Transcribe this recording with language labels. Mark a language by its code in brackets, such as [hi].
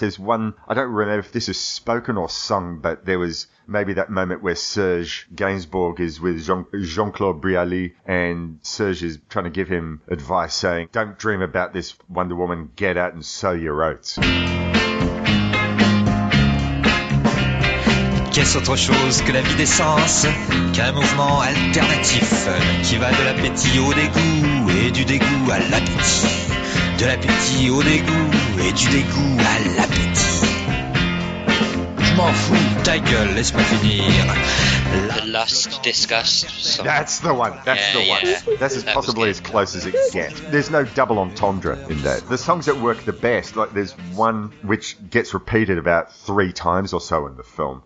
[en] There's one, I don't remember if this is spoken or sung, but there was maybe that moment where Serge Gainsbourg is with Jean-Claude Brialy, and Serge is trying to give him advice saying, don't dream about this Wonder Woman, get out and sow your oats. [fr] Qu'est-ce autre chose que la vie des sens, qu'un mouvement alternatif qui va de l'appétit au dégoût et du dégoût à l'appétit, de l'appétit au dégoût et du dégoût à l'appétit. Je m'en fous, ta gueule, laisse-moi finir. [en] The Lust Disgust. Song. That's the one. This is possibly as close as it gets. There's no double entendre in that. The songs that work the best, like there's one which gets repeated about three times or so in the film.